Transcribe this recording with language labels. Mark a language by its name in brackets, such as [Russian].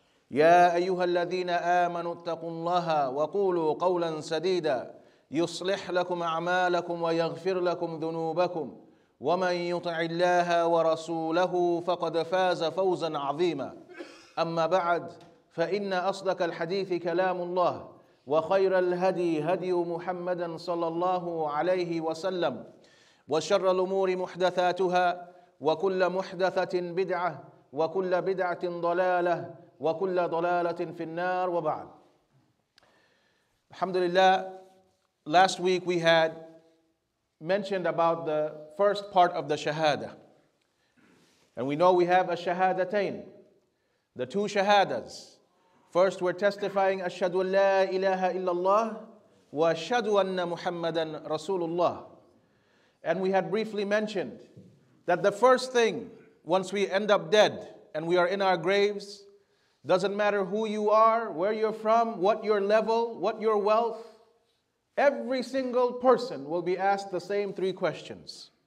[Arabic] يا أيها الذين آمنوا اتقوا الله وقولوا قولا سديدا يصلح لكم أعمالكم ويغفر لكم ذنوبكم ومن يطع الله ورسوله فقد فاز فوزا عظيما أما بعد فإن أصدق الحديث كلام الله وخير الهدي هدي محمد صلى الله عليه وسلم وشر الأمور محدثاتها وكل محدثة بدعة وكل بدعة ضلالة وكل ضلالة في النار وبعد. الحمد لله. [English] Last week we had mentioned about the first part of the shahada, and we know we have الشهادتين, the two shahadas. First, we're testifying [Arabic] أشهد أن لا إله إلا الله وأشهد أن محمدا رسول الله. [English] And we had briefly mentioned that the first thing, once we end up dead and we are in our graves, doesn't matter who you are, where you're from, what your level, what your wealth, every single person will be asked the same three questions.